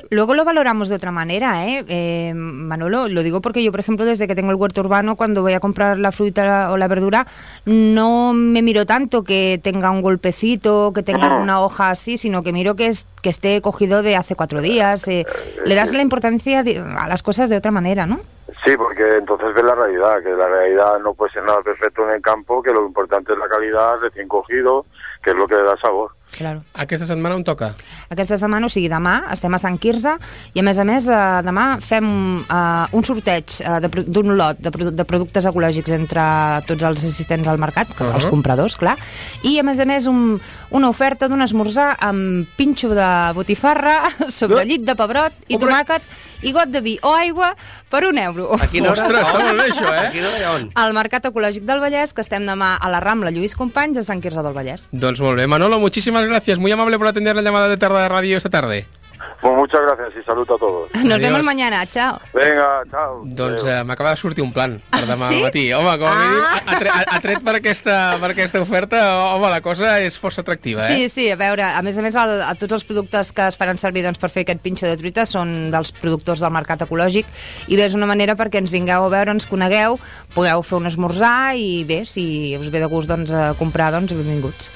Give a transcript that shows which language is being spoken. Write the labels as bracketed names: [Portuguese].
[Spanish] Luego lo valoramos de otra manera, Manolo, lo digo porque yo, por ejemplo, desde que tengo el huerto urbano, cuando voy a comprar la fruta o la verdura, no me miro tanto que tenga un golpecito, que tenga una hoja así, sino que miro que esté cogido de hace 4 días. Le das la importancia a las cosas de otra manera, ¿no? Sí, porque entonces ves la realidad, que la realidad no puede ser nada perfecto en el campo, que lo importante es la calidad, recién cogido, que es lo que le da sabor. Claro. [Catalan] Aquesta setmana on toca? Aquesta setmana, o sigui, demà estem a Sant Quirze i a més, demà fem un sorteig d'un lot de productes ecològics entre tots els assistents al mercat, uh-huh. Els compradors, clar, i a més una oferta d'un esmorzar amb pinxo de botifarra sobre llit de pebrot i tomàquet i got de vi o aigua per 1 euro. Ostres, està molt bé això, eh? Aquí no hi ha on. Al Mercat Ecològic del Vallès, que estem demà a la Rambla Lluís Companys, a Sant Quirze del Vallès. Doncs molt bé. Manolo, moltíssimes gràcies. [Spanish] Muy amable por atender la llamada de Tarda de Ràdio esta tarde. Pues muchas gracias y salud a todos. Nos vemos mañana, chao. Venga, chao. [Catalan] Doncs m'acaba de sortir un plan per demà al matí. Home, com a mínim, atret per aquesta oferta, home, la cosa és força atractiva, eh? Sí, a veure, a més, tots els productes que es faran servir doncs, per fer aquest pinxo de truita són dels productors del Mercat Ecològic i bé, és una manera perquè ens vingueu a veure, ens conegueu, pugueu fer un esmorzar i bé, si us ve de gust doncs, a comprar, doncs benvinguts.